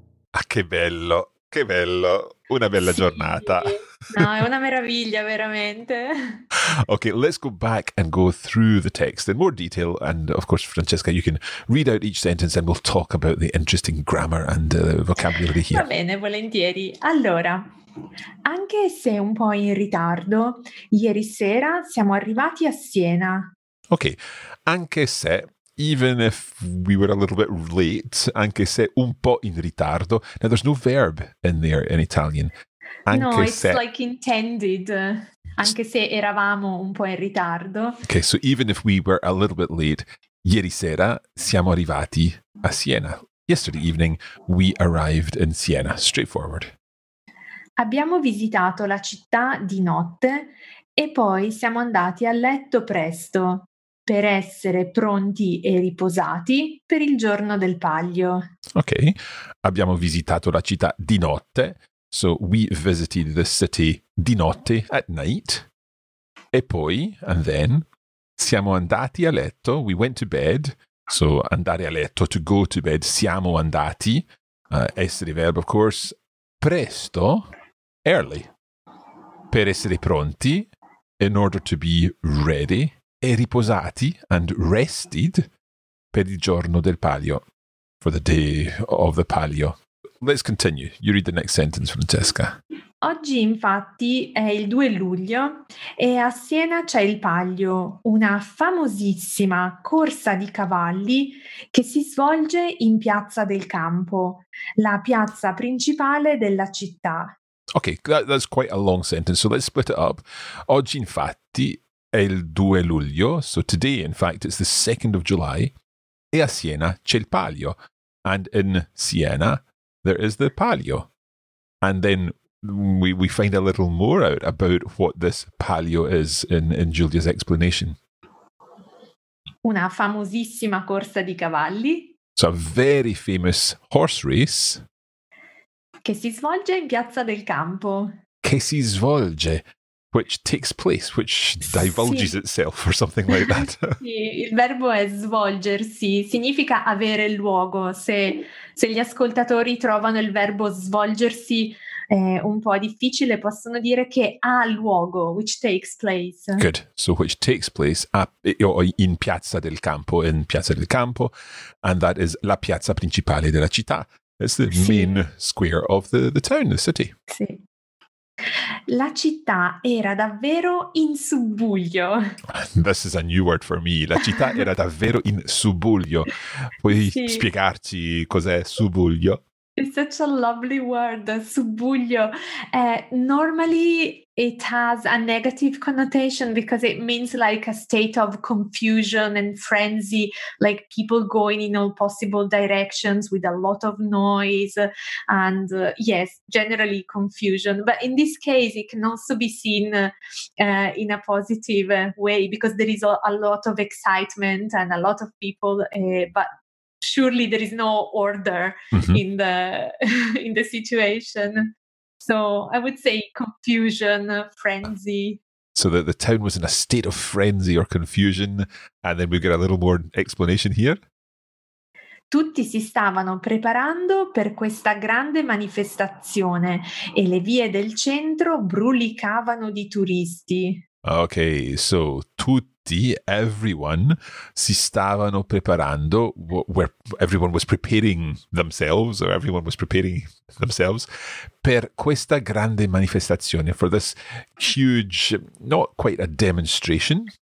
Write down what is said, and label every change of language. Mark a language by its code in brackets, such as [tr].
[it] Ah, che bello, che bello. Una bella giornata. No, è una meraviglia, veramente. [en] Okay, let's go back and go through the text in more detail. And of course, Francesca, you can read out each sentence and we'll talk about the interesting grammar and vocabulary here. [it] Va bene, volentieri. Allora, anche se un po' in ritardo, ieri sera siamo arrivati a Siena. [en] Okay, [it] anche se... [en] Even if we were a little bit late, [it] anche se un po' in ritardo. [en] Now, there's no verb in there in Italian. [it] Anche no, [en] it's se... like intended. [it] Anche se eravamo un po' in ritardo. [en] Okay, so even if we were a little bit late, [it] ieri sera siamo arrivati a Siena. [en] Yesterday evening, we arrived in Siena. Straightforward. [it] Abbiamo visitato la città di notte e poi siamo andati a letto presto. Per essere pronti e riposati per il giorno del palio. Ok, abbiamo visitato la città di notte. [en] So we visited the city [it] di notte, [en] at night. [it] E poi, [en] and then, [it] siamo andati a letto. [en] We went to bed. So [it] andare a letto, [en] to go to bed. [it] Siamo andati, [en] essere verb of course, [it] presto, [en] early. [it] Per essere pronti, [en] in order to be ready. [it] E riposati, [en] and rested, [it] per il giorno del palio, [en] for the day of the palio. Let's continue. You read the next sentence, Francesca. [it] Oggi, infatti, è il 2 luglio e a Siena c'è il palio, una famosissima corsa di cavalli che si svolge in Piazza del Campo, la piazza principale della città. [en] Okay, that's quite a long sentence, so let's split it up. [it] Oggi, infatti... È il 2 luglio, [en] so today, in fact, it's the 2nd of July, [it] e a Siena c'è il palio. [en] And in Siena, there is the palio. And then we find a little more out about what this palio is in Giulia's explanation. [it] Una famosissima corsa di cavalli. [en] So a very famous horse race. [it] Che si svolge in Piazza del Campo. Che si svolge. [en] Which takes place, which divulges [it] sì. [en] itself or something like that. [it] Il verbo è svolgersi, significa avere luogo. Se gli ascoltatori trovano il verbo svolgersi un po' difficile, possono dire che ha luogo, [en] which takes place. Good. So which takes place in Piazza del Campo, in Piazza del Campo, and that is [it] la piazza principale della città. [en] It's the [it] sì. [en] main square of the town, the city. [it] Sì. La città era davvero in subbuglio. [en] This is a new word for me. [it] La città era davvero in subbuglio. Puoi sì. spiegarci cos'è subbuglio? [en] It's such a lovely word, subbuglio. Normally it has a negative connotation because it means like a state of confusion and frenzy, like people going in all possible directions with a lot of noise and yes, generally confusion. But in this case, it can also be seen in a positive way because there is a lot of excitement and a lot of people, but surely there is no order in the situation. So I would say confusion, frenzy. So that the town was in a state of frenzy or confusion. And then we've got a little more explanation here. [it] Tutti si stavano preparando per questa grande manifestazione e le vie del centro brulicavano di turisti. [en] Okay, so tutti, everyone, [it] si stavano preparando, [en] where everyone was preparing themselves, or everyone was preparing themselves, [it] per questa grande manifestazione, [en] for this huge, not quite a demonstration.